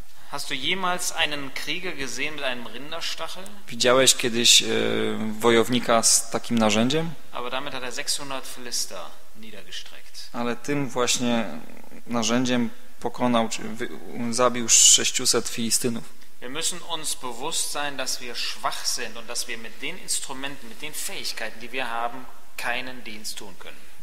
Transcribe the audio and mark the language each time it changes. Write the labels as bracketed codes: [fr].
[de] Hast du jemals einen Krieger gesehen mit einem Rinderstachel? [pl] Widziałeś kiedyś wojownika z takim narzędziem? [de] Aber damit hat er 600 Philister niedergestreckt. [pl] Ale tym właśnie narzędziem pokonał, czy zabił 600 Filistynów. [de] Wir müssen uns bewusst sein, dass wir schwach sind und dass wir mit den Instrumenten, mit den Fähigkeiten, die wir haben, keinen Dienst tun können.